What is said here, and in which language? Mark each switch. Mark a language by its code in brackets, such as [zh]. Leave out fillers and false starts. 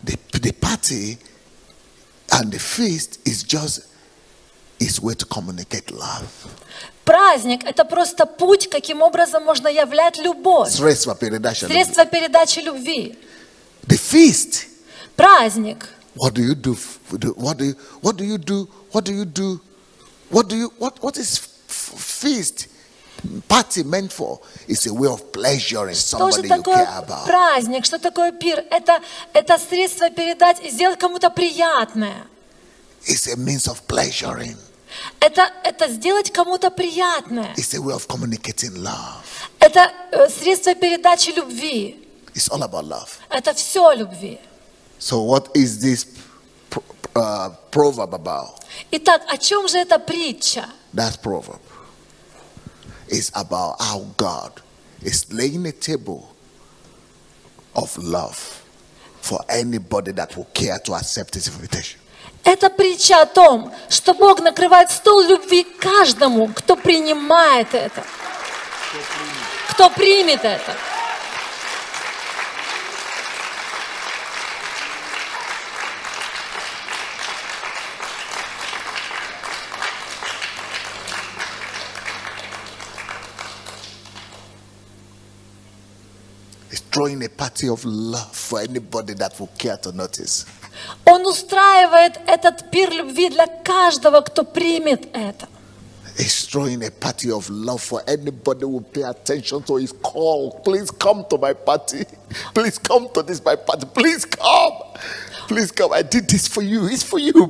[en] The party and the feast is just his way to communicate love. [ru] Праздник – это просто путь, каким образом можно являть любовь. Средство передачи любви. [en] The feast. [ru] Праздник. [en] What do you do? What do you do? What do you do? What is feast? Party meant for? It's a way of pleasuring somebody you care about. [ru] Праздник? Что такое пир? Это средство передать и сделать кому-то приятное. [en] It's a means of pleasuring. [ru] Это сделать кому-то приятное. [en] It's a way of communicating love. [ru] Это средство передачи любви. [en] It's all about love. [ru] Это все о любви. [en] So what is this proverb about? [ru] Итак, о чем же эта притча? [en] That proverb is about how God is laying a table of love for anybody that will care to accept his invitation. [ru] Это притча о том, что Бог накрывает стол любви каждому, кто принимает это. Кто примет это. [en] It's throwing a party of love for anybody that will care to notice. [ru] Он устраивает этот пир любви для каждого, кто примет это. [en] He's throwing a party of love for anybody who pay attention to his call. Please come to my party. Please come to this my party. Please come. Please come. I did this for you. It's for you.